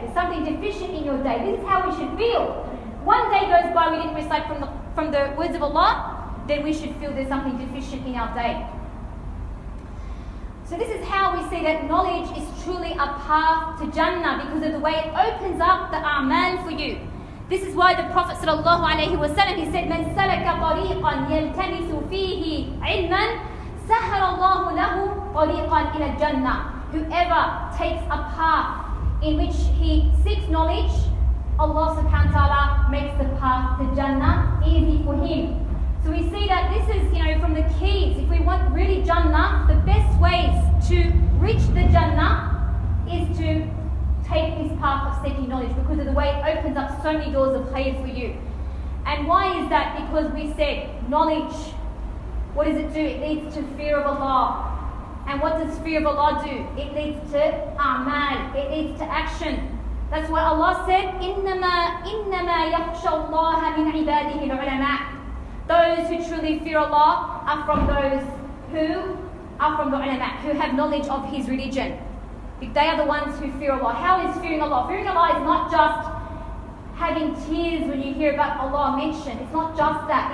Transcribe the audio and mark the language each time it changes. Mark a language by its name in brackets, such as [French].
[English] There's something deficient in your day. This is how we should feel. One day goes by, we didn't recite from the words of Allah, then we should feel there's something deficient in our day. So this is how we see that knowledge is truly a path to Jannah, because of the way it opens up the a'mal for you. This is why the Prophet sallallahu alayhi wa sallam, he said, [Arabic] مَنْ سَلَكَ طَرِيقًا يَلْتَمِسُ فِيهِ عِلْمًا سَهَرَ اللَّهُ لَهُ طَرِيقًا إِلَى الْجَنَّةِ. [English] Whoever takes a path in which he seeks knowledge, Allah subhanahu wa ta'ala makes the path to Jannah easy for him. So we see that this is, you know, from the keys, if we want really Jannah, the best ways to reach the Jannah is to take this path of seeking knowledge, because of the way it opens up so many doors of khair for you. And why is that? Because we said knowledge, what does it do? It leads to fear of Allah. And what does fear of Allah do? It leads to a'mal, it leads to action. That's what Allah said, [Arabic] إِنَّمَا يَخْشَ اللَّهَ مِنْ عِبَادِهِ الْعُلَمَاء. [English] Those who truly fear Allah are from those who are from the ulama, who have knowledge of His religion. They are the ones who fear Allah. How is fearing Allah? Fearing Allah is not just having tears when you hear about Allah mentioned. It's not just that.